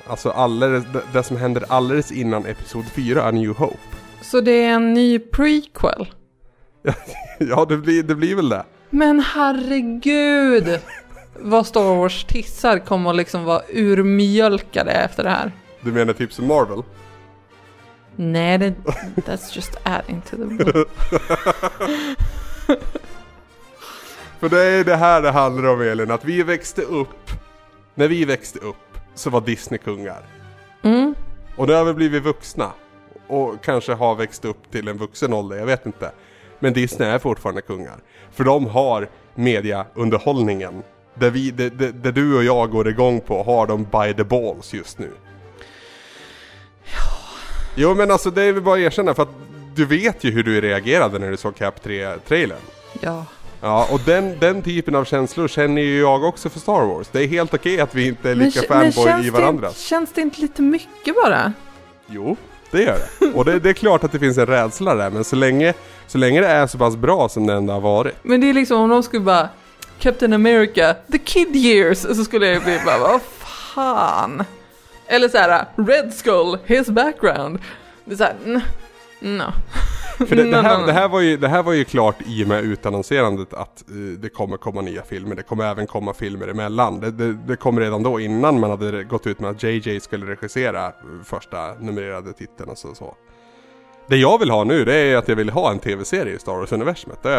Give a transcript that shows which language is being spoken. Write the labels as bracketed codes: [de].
[sv] Alltså det som händer alldeles innan episod 4, A New Hope. Så det är en ny prequel? Ja, det blir väl det. Men herregud! Vad Star Wars tissar kommer att liksom vara urmjölkade efter det här. Du menar typ som Marvel? [en] Nej, that's just adding to the book. [sv] För det är det här det handlar om, Elin. Att vi växte upp. När vi växte upp så var Disney kungar. Mm. Och nu har vi blivit vuxna. Och kanske har växt upp till en vuxen ålder, jag vet inte. Men Disney är fortfarande kungar. För de har mediaunderhållningen. Där du och jag går igång på, har de [en] by the balls [sv] just nu. Jo, men alltså det är vi bara erkänna, för att du vet ju hur du reagerade när du såg Cap 3-trailern. Ja. Ja, och den typen av känslor känner ju jag också för Star Wars. Det är helt okej att vi inte är lika fanboy i varandra. Men känns det inte lite mycket bara? Jo, det gör det. Och det är klart att det finns en rädsla där, men så länge det är så pass bra som det ändå har varit. Men det är liksom om de skulle bara, Captain America, the kid years, så skulle jag bli bara, vad fan... Eller så här, Red Skull, [en] his background. [sv] Det är så här, no. För det här var ju klart i och med utannonserandet att det kommer komma nya filmer. Det kommer även komma filmer emellan. Det kom redan då innan man hade gått ut med att JJ skulle regissera första numrerade titeln och så. Det jag vill ha nu, det är att jag vill ha en tv-serie i Star Wars-universumet.